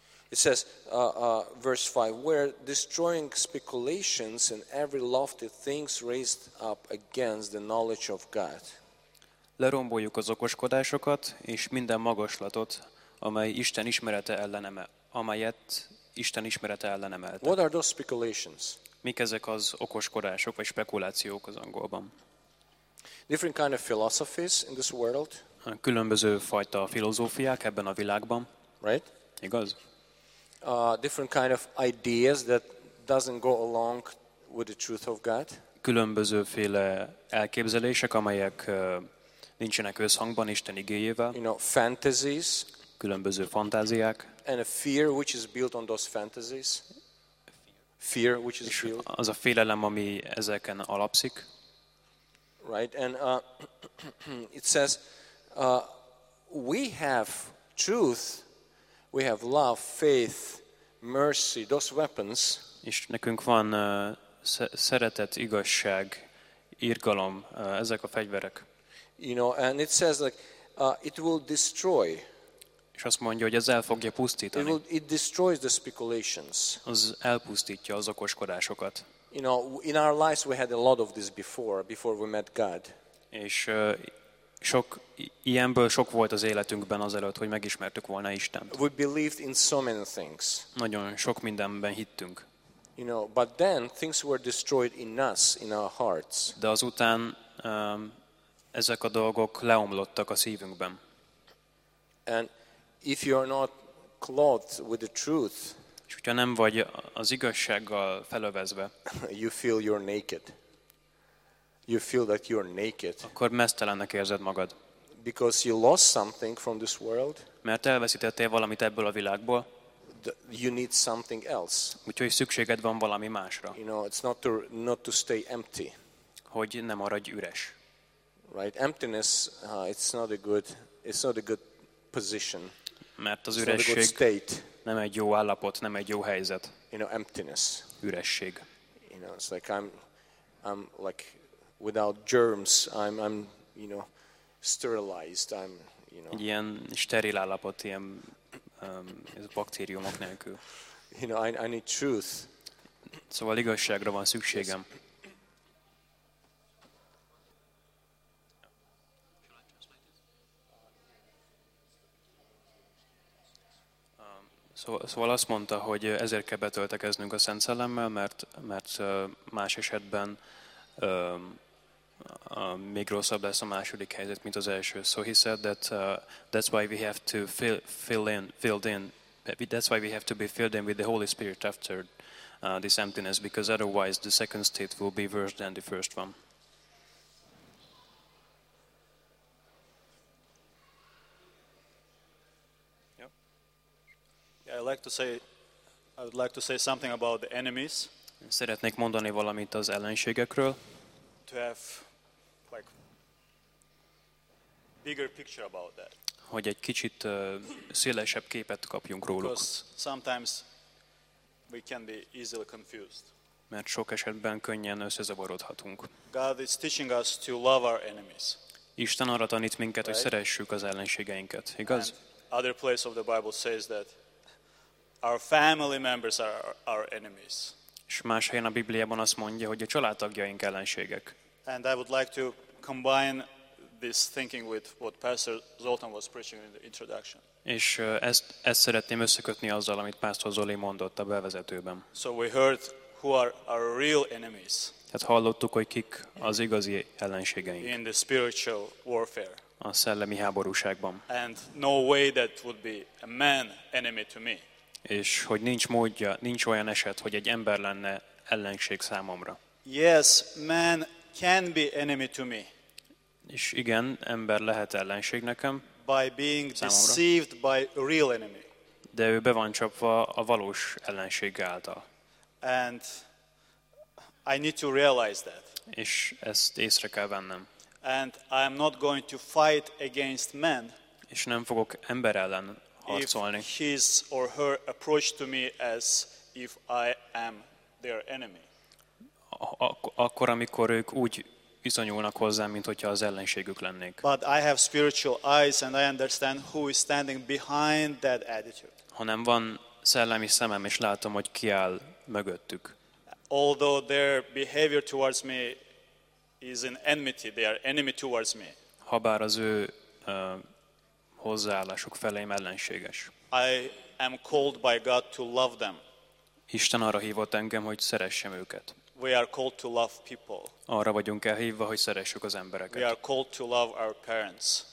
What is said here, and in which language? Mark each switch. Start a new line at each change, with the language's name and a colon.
English: It says, verse 5, we're destroying speculations and every lofty things raised up against the knowledge of God.
Hungarian: Leromboljuk az okoskodásokat és minden magaslatot, amelyet Isten ismerete ellen emelte.
English: What are those speculations?
Hungarian: Mik ezek az okoskodások vagy spekulációk az angolban?
English: Different kind of philosophies in this world.
Hungarian: Különböző fajta filozófiák ebben a világban.
English: Right?
Hungarian: Igaz?
English: Different kind of ideas that doesn't go along with the truth of God.
Hungarian: Különbözőféle elképzelések, amelyek nincsenek összhangban Isten igéjével.
English: You know, fantasies.
Hungarian: Különböző fantáziák.
English: And a fear which is built on those fantasies. Fear which is built.
Hungarian: Az a félelem, ami ezeken alapszik.
English: Right, and it says, we have truth. We have love, faith, mercy, those weapons.
Hungarian: És nekünk van szeretet, igazság, irgalom, ezek a fegyverek.
English: You know, and it says like it will destroy.
Hungarian: És azt mondja, hogy ez el fogja pusztítani.
English: It destroys the speculations.
Hungarian: Az elpusztítja az okoskodásokat.
English: You know, in our lives we had a lot of this before we met God.
Hungarian: És sok ilyenből sok volt az életünkben azelőtt, hogy megismertük volna Istent.
English: We believed in so many things.
Hungarian: Nagyon sok mindenben hittünk.
English: You know, but then things were destroyed in us, in our hearts.
Hungarian: De azután ezek a dolgok leomlottak a szívünkben.
English: And if you are not clothed with the truth,
Hungarian: és hogyha nem vagy az igazsággal felövezve,
English: you feel you're naked. You feel that you're naked.
Hungarian: Akkor mesztelennek érzed magad.
English: Because you lost something from this world.
Hungarian: Mert elveszítettél valamit ebből a világból.
English: You need something else.
Hungarian: Úgyhogy szükséged van valami másra.
English: You know, it's not to stay empty.
Hungarian: Hogy ne maradj üres.
English: Right? Emptiness, it's not a good position.
Hungarian: Mert az üresség nem egy jó állapot, nem egy jó helyzet.
English: You know, emptiness.
Hungarian: Üresség.
English: You know, it's like I'm like without germs, I'm you know, sterilized, I'm, you know.
Hungarian: Ilyen steril állapot, ilyen baktériumok nélkül.
English: You know, I need truth.
Hungarian: Szóval igazságra van szükségem. Szóval azt mondta, hogy ezért kell betöltekeznünk a Szent Szellemmel, mert más esetben még rosszabb lesz a második helyzet, mint az első.
English: So he said that that's why we have to filled in. That's why we have to be filled in with the Holy Spirit after this emptiness, because otherwise the second state will be worse than the first one. Yeah. I would like to say something about the enemies.
Hungarian: Szeretnék mondani valamit az ellenségekről.
English: To have bigger picture about that.
Hungarian: Hogy egy kicsit szélesebb képet kapjunk róluk.
English: Because sometimes we can be easily confused.
Hungarian: Mert sok esetben könnyen összezavarodhatunk.
English: God is teaching us to love our enemies.
Hungarian: Isten arra tanít minket,
English: right?
Hungarian: Hogy szeressük az ellenségeinket, igaz?
English: And other place of the Bible says that our family members are our enemies.
Hungarian: És más helyen a Bibliában azt mondja, hogy a családtagjaink ellenségek.
English: And I would like to combine this thinking with what Pastor Zoltán was preaching in the introduction.
Hungarian: És ezt szeretném összekötni azzal, amit Pastor Zoli mondott a bevezetőben.
English: So we heard who are our real enemies.
Hungarian: Tehát hallottuk, hogy kik az igazi ellenségeink.
English: In the spiritual warfare.
Hungarian: a szellemi háborúságban.
English: And no way that would be a man enemy to me.
Hungarian: És hogy nincs módja, nincs olyan eset, hogy egy ember lenne ellenség számomra.
English: Yes, man can be enemy to me.
Hungarian: És igen, ember lehet ellenség nekem.
English: By being deceived by real enemy.
Hungarian: De ő be van csapva a valós ellenség által.
English: And I need to realize that.
Hungarian: És ezt észre kell vennem.
English: And I am not going to fight against men.
Hungarian: És nem fogok ember ellen harcolni.
English: If his or her approach to me as if I am their enemy.
Hungarian: Akkor amikor ők úgy viszonyulnak hozzám, mint hogyha az ellenségük lennék.
English: But I have spiritual eyes and I understand who is standing behind that attitude.
Hungarian: Hanem van szellemi szemem és látom, hogy ki áll mögöttük.
English: Although their behavior towards me is an enmity, they are enemy towards me.
Hungarian: Habár az ő hozzáállásuk felém ellenséges.
English: I am called by God to love them.
Hungarian: Isten arra hívott engem, hogy szeressem őket.
English: We are called to love people.
Hungarian: Arra vagyunk elhívva, hogy szeressük az embereket.
English: We are called to love our parents.